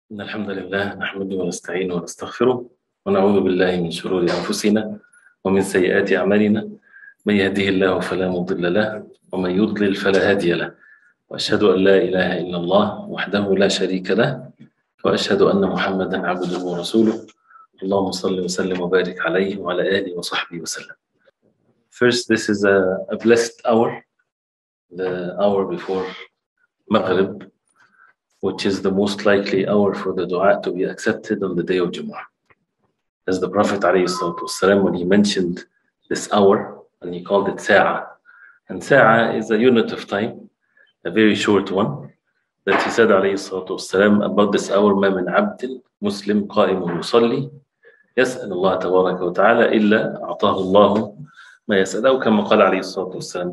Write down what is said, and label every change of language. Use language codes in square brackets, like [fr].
[ar] إن الحمد لله نحمده ونستعينه ونستغفره ونعوذ بالله من شرور أنفسنا ومن سيئات أعمالنا، من يهده الله فلا مضل له ومن يضلل فلا هادي له، وأشهد أن لا إله إلا الله وحده لا شريك له، وأشهد أن محمدا عبده ورسوله. اللهم صل وسلم وبارك عليه وعلى آله وصحبه وسلم. [en] First, this is a blessed hour, the hour before Maghrib, which is the most likely hour for the dua to be accepted on the day of Jumu'ah. As the Prophet ﷺ, when he mentioned this hour, and he called it Sa'a. And Sa'a is a unit of time, a very short one, that he said ﷺ about this hour, [ar] مَا مِنْ عَبْدٍ مُسْلِمْ قَائِمٌ يُصَلِّي يَسْأَلُ اللَّهَ تَبَارَكَ وَتَعَالَى إِلَّا أَعْطَاهُ اللَّهُ مَا يَسْأَلَهُ كَمَا قَالَ ﷺ.